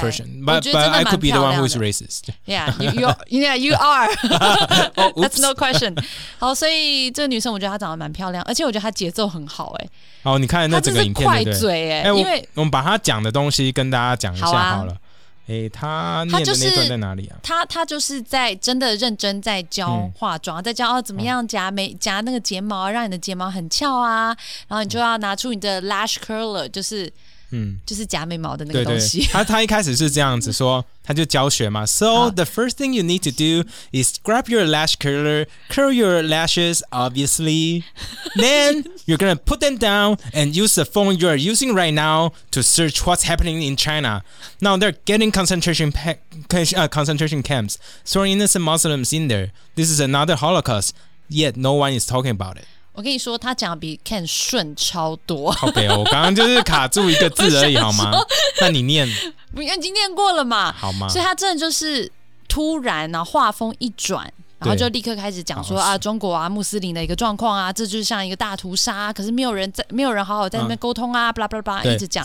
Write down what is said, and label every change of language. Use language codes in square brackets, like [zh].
[en] Persian, but I could be the one who is racist. Yeah, you are. 、oh, That's no question. [zh] 好，所以这个女生，我觉得她长得蛮漂亮，而且我觉得她节奏很好、欸，哎。好，你看那整个影片，她就是快嘴、欸，哎，因为我们把她讲的东西跟大家讲一下好了。他念的那段在哪里啊？他就是在真的认真在教化妆、嗯、在教、哦、怎么样夹那个睫毛让你的睫毛很翘啊，然后你就要拿出你的 lash curler 就是就是假眉毛的那个东西。对对，他一开始是这样子说，他就教学嘛。 [en] So the first thing you need to do is grab your lash curler, curl your lashes, obviously. Then you're gonna put them down and use the phone you're using right now to search what's happening in China. Now they're getting concentration camps, throwing innocent Muslims in there. This is another Holocaust, yet no one is talking about it. [zh] 我跟你说他讲的比 Ken 顺超多。 OK, 我刚刚就是卡住一个字而已好吗？那你念。因为已经念过了嘛。好吗？所以他真的就是突然然后话锋一转，然后就立刻开始讲说啊，中国啊穆斯林的一个状况啊，这就是像一个大屠杀、啊、可是没有人在，没有人好好在那边沟通啊，巴拉巴拉巴拉一直讲。